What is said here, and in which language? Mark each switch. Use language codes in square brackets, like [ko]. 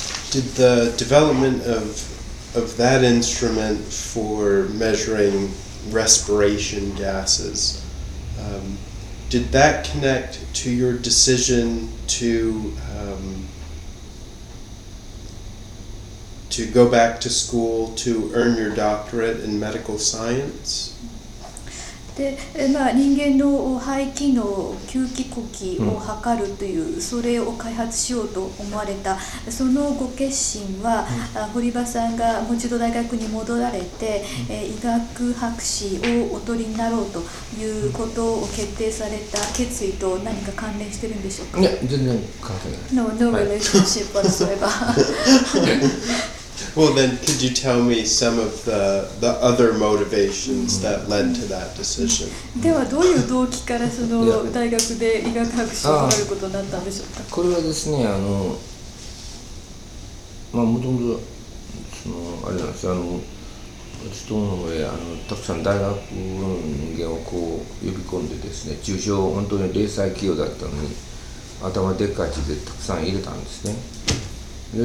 [en] Did the development of that instrument for measuring respiration gases, did that connect to your decision to go back to school to earn your doctorate in medical science? [ja] で、まあ、人間の肺機能、吸気呼吸を測るという、それを開発しようと思われた、そのご決心は、堀場さんがもう一度大学に戻られて、医学博士をお取りになろうということを決定された決意と何か関連してるんでしょうか。いや、全然関係ない。 [en] No relationship whatsoever. Well, then, could you tell me some of the other motivations that led to that decision? [ja] ではどういう動機からその大学で医学博士になることになったんでしょうか。これはですね、まあ、もともとそのあれなんですよ、私との上、たくさん大学の人間をこう呼び込んでですね、中小、本当に零細企業だったのに頭でっかちでたくさん入れたんですね。